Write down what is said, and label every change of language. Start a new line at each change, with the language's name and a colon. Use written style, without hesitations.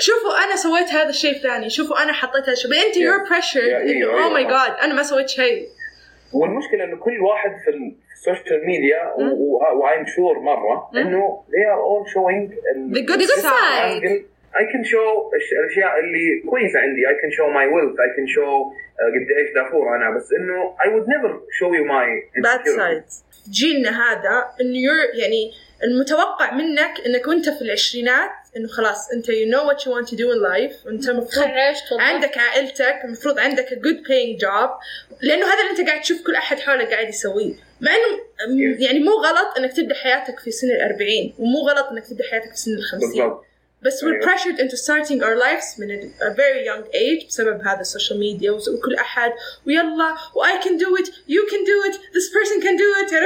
Arabic: شوفوا أنا سويت هذا الشيء ثاني شوفوا أنا حطيت هذا الشيء أنتي
English: you're pressured oh my god
Arabic: أنا ما سويت شيء والمشكلة إنه كل واحد في السوشيال ميديا وعين شور مرة إنه
English: they are all showing the good side. I can show
Arabic: الأشياء اللي كويسة عندي.
English: I can show my wealth. I can show
Arabic: قد إيش دافور أنا. بس إنه
English: I would never show you my bad sides.
Arabic: جيلنا هذا إنه يعني المتوقع منك إنك أنت في العشرينات إنه خلاص أنت
English: you know what you want to do in life.
Arabic: أنت مفروض عندك عائلتك, مفروض عندك
English: a good paying job,
Arabic: لأنه هذا اللي أنت قاعد تشوف كل أحد حولك قاعد يسويه. مع إنه يعني مو غلط إنك تبدأ حياتك في سن 40 ومو غلط إنك تبدأ حياتك في سن 50, بس
English: we're pressured into starting our lives
Arabic: من
English: a very young age
Arabic: بسبب هذا السوشيال ميديا وكل أحد ويلا و
English: I can do it, you can do it, this person can do it.